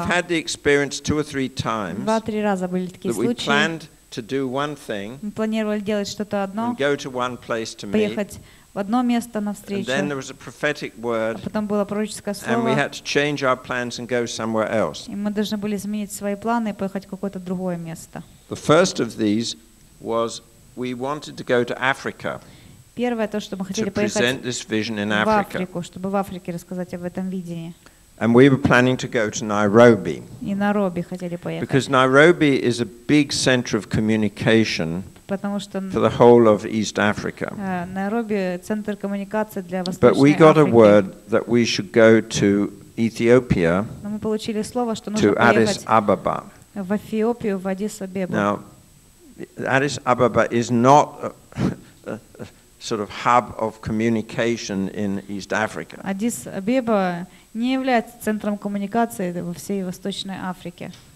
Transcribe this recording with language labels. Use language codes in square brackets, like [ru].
[en] We've had the experience two or three times. [ru] Два-три раза были такие случаи. [en] That we planned to do one thing. [ru] Мы планировали делать что-то одно. [en] And go to one place to meet. [ru] В одно место на встречу. [en] And then there was a prophetic word. [ru] А потом было пророческое слово. [en] And we had to change our plans and go somewhere else. [ru] И мы должны были изменить свои планы и поехать в какое-то другое место. [en] The first of these was we wanted to go to Africa. [ru] Первое то, что мы хотели поехать в Африку, чтобы в Африке рассказать об этом видении. [en] And we were planning to go to Nairobi. [ru] И Найроби хотели поехать. [en] Because Nairobi is a big center of communication. [ru] Потому что [en] for the whole of East Africa. [ru] Найроби центр коммуникации для Восточной Африки. [en] But we got a word that we should go to Ethiopia. [ru] Но мы получили слово, что нужно поехать [en] to Addis-Ababa. [ru] В Эфиопию, в Аддис-Абебу. [en] Now, Addis-Ababa is not sort of hub of communication in East Africa. [ru] Аддис-Абеба не является центром коммуникации во всей Восточной Африке.